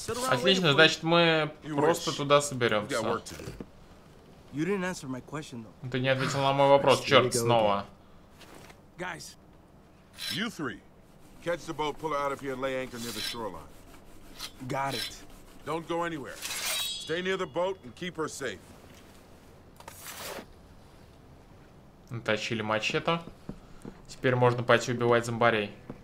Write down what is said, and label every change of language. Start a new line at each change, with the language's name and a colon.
Russian: Отлично, значит, мы просто туда соберемся. Ты не ответил на мой вопрос, черт, снова.
English: Guys, you three, catch the boat, pull her out of here, and lay anchor near the shoreline. Got it. Don't go anywhere. Stay near the boat and keep her safe.
Russian: Натащили мачете. Теперь можно пойти убивать зомбарей.